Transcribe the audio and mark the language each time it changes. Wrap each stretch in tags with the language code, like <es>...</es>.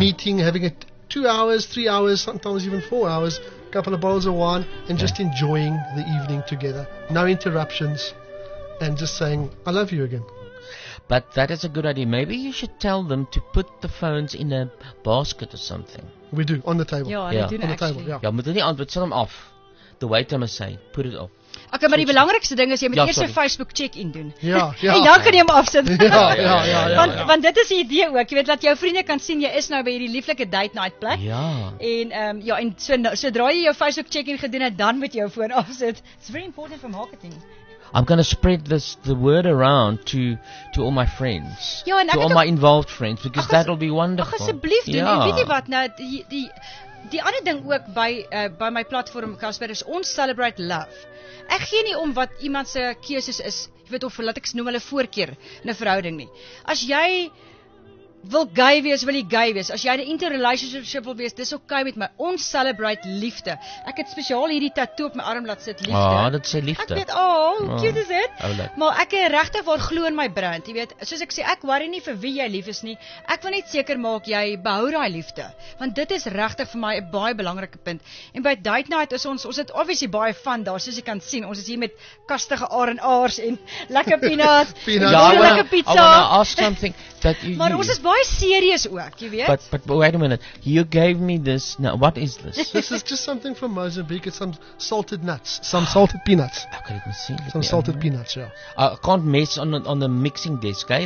<en>Meeting, having it 2 hours, 3 hours, sometimes even 4 hours, couple of bottles of wine, and just enjoying the evening together. No interruptions. and just saying, I love you again. But that is a good idea. Maybe you should tell them to put the phones in a basket or something. We do, on the table. Yeah, we do, actually. Yeah, but tell them off. The waiter must say, put it off.</en> <af>Okay, maar die belangrikste ding is jy moet eers 'n Facebook check-in doen. Ja. En dan kan jy hom afsit. Ja. Want dit is die idee ook, jy weet, dat jou vriende kan sien jy is nou by hierdie lieflike date night plek. Ja. En ja, en sodra jy jou Facebook check-in gedoen het, dan moet jy jou foon afsit.</af> <en>It's very important for marketing. I'm going to spread this the word around to all my friends.</en> <af>Ja, en</af> <en>to all my involved friends because that'll be wonderful.</en> <af>Ag asseblief doen. Ja. En weet jy wat nou die ander ding ook by my platform Casper is ons</af> <en>celebrate love.</en> <af>Ek gee nie om wat iemand se keuses is, jy weet of laat ek noem hulle voorkeur in 'n verhouding nie. As jy wil gay wees, wil jy gay wees. As jy 'n interrelationship wil wees, dis okay met my. Ons celebrate liefde. Ek het spesiaal hierdie tattoo op my arm laat sit, liefde. Ah, dit sê liefde. Ek weet, hoe cute is dit? Oulik. Maar ek is regtig waar glo in my brand, jy weet. Soos ek sê, ek worry nie vir wie jy lief is nie. Ek wil net seker maak jy behou daai liefde, want dit is regtig vir my 'n baie belangrike punt. En by Date Night is ons het obviously baie fun daar, soos jy kan sien. Ons is hier met kastige R&R's en lekker peanuts. Lekker pizza.</af> <en>I wanna ask something that you</en> <af>Maar ons is baie serious ook, jy weet.</af> <en>But wait a minute. You gave me this. Now, what is this? This is just something from Mozambique. It's some salted nuts. Some salted peanuts. Okay, let me see. Some salted peanuts, yeah. I can't mess on the mixing desk, okay?</en>